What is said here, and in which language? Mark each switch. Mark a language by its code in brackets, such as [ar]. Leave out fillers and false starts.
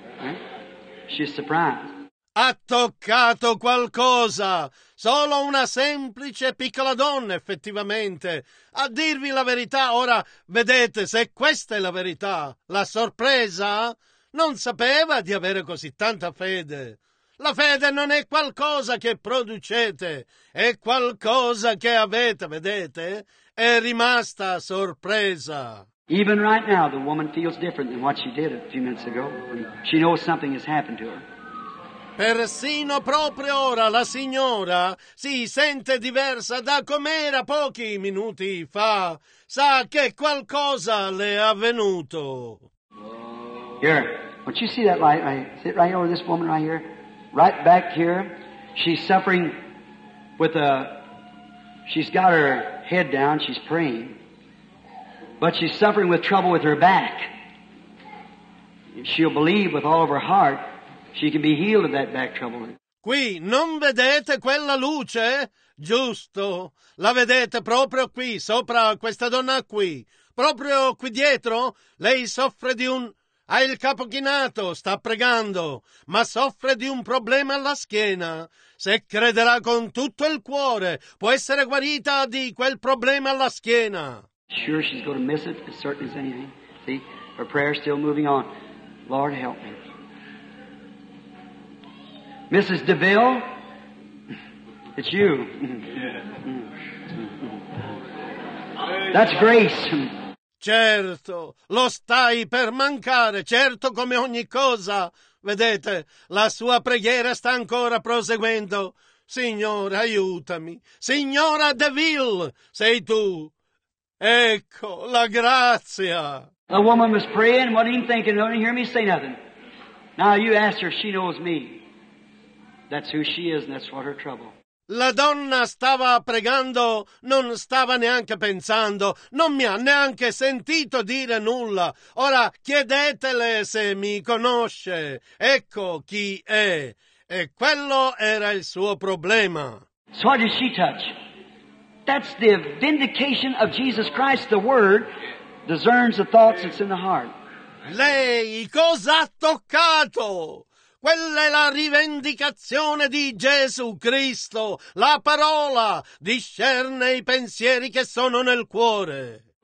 [en] Right? She's surprised. [it] Ha toccato qualcosa. Solo una semplice piccola donna, effettivamente. A dirvi la verità, ora vedete se questa è la verità. La sorpresa? Non sapeva di avere così tanta fede. La fede non è qualcosa che producete, è qualcosa che avete, vedete? È rimasta sorpresa. [en] Even right now, the woman feels different than what she did a few minutes ago. She knows something has happened to her. [it] Persino proprio ora la signora si sente diversa da com'era pochi minuti fa. Sa che qualcosa le è avvenuto. [en] Here, don't you see that light right? Sit right over this woman right here. Right back here, she's suffering with a, she's got her head down, she's praying, but she's suffering with trouble with her back. She'll believe with all of her heart, she can be healed of that back trouble. [it] Qui non vedete quella luce? Giusto, la vedete proprio qui, sopra questa donna qui, proprio qui dietro, lei soffre di un... Ha il capo chinato, sta pregando, ma soffre di un problema alla schiena. Se crederà con tutto il cuore, può essere guarita di quel problema alla schiena. [en] Sure she's going to miss it, as certain as anything. See, her prayer is still moving on. Lord, help me. Mrs. DeVille, it's you. That's grace. [it] Certo, lo stai per mancare, certo come ogni cosa. Vedete, la sua preghiera sta ancora proseguendo. Signore, aiutami. Signora DeVille, sei tu. Ecco, la grazia. [en] The woman was praying, what are you thinking? Don't you hear me say nothing. Now you ask her, she knows me. That's who she is and that's what her trouble. [it] La donna stava pregando, non stava neanche pensando, non mi ha neanche sentito dire nulla. Ora chiedetele se mi conosce. Ecco chi è. E quello era il suo problema. [en] So what did she touch? That's the vindication of Jesus Christ, the Word, discerns the thoughts that's in the heart. [it] Lei cosa ha toccato? Quella è la rivendicazione di Gesù Cristo. La parola discerne i pensieri che sono nel cuore.